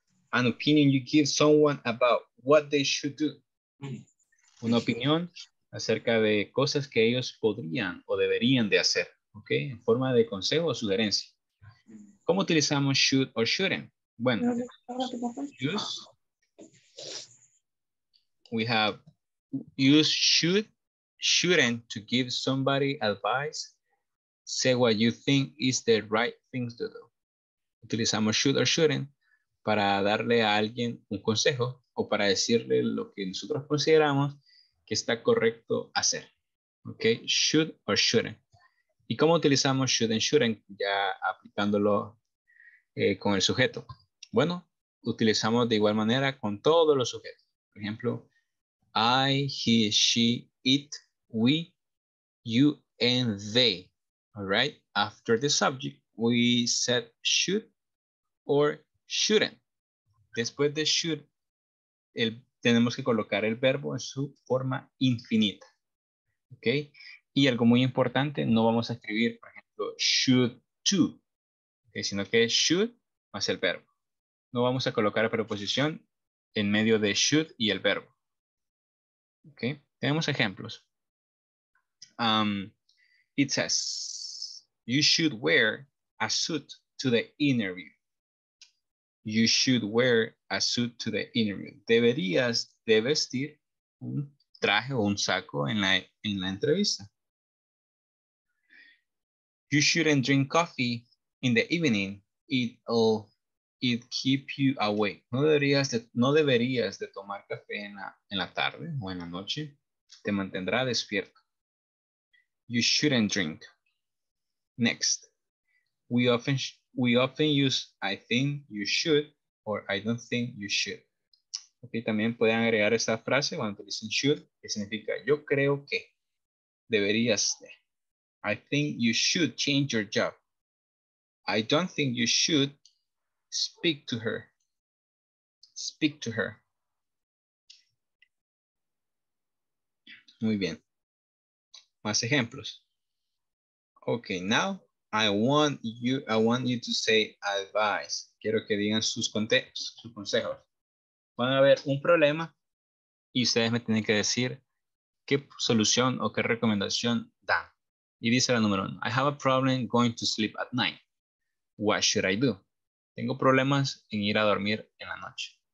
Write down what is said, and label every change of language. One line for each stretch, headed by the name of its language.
English: An opinion you give someone about what they should do.
Spanish: Una opinión acerca de cosas que ellos podrían o deberían de hacer. Okay, en forma de consejo o sugerencia. ¿Cómo utilizamos
English: should or shouldn't?
Spanish: Bueno, use should.
English: Shouldn't to give somebody advice, say what you think is the right thing to do.
Spanish: Utilizamos should or shouldn't para darle a alguien un consejo o para decirle lo que nosotros consideramos que está correcto hacer. ¿Ok?
English: Should or shouldn't.
Spanish: ¿Y cómo utilizamos
English: should and shouldn't?
Spanish: Ya aplicándolo con el sujeto. Bueno, utilizamos de igual manera con todos los sujetos. Por ejemplo,
English: I, he, she, it, we, you, and they. All right? After the subject, we said should or shouldn't.
Spanish: Después de should, tenemos que colocar el verbo en su forma infinita. ¿Ok? Y algo muy importante, no vamos a escribir, por ejemplo, should to, okay, sino que should más el verbo. No vamos a colocar la preposición en medio de should y el verbo. ¿Ok? Tenemos ejemplos.
English: It says, you should wear a suit to the interview. You should wear a suit to the interview.
Spanish: Deberías de vestir un traje o un saco en la entrevista.
English: You shouldn't drink coffee in the evening. It keep you awake.
Spanish: No deberías de tomar café en la tarde o en la noche. Te mantendrá despierto.
English: You shouldn't drink. Next. We often use I think you should or I don't think you should.
Spanish: Okay, también pueden agregar esta frase cuando dicen should, que significa yo creo que deberías de.
English: I think you should change your job. I don't think you should speak to her. Speak to her.
Spanish: Muy bien. Más ejemplos.
English: Okay, now I want you to say advice.
Spanish: Quiero que digan sus consejos. Van a ver un problema y ustedes me tienen que decir qué solución o qué recomendación dan. Y dice la número uno,
English: I have a problem going to sleep at night. What should I do?
Spanish: Tengo problemas en ir a dormir en la noche.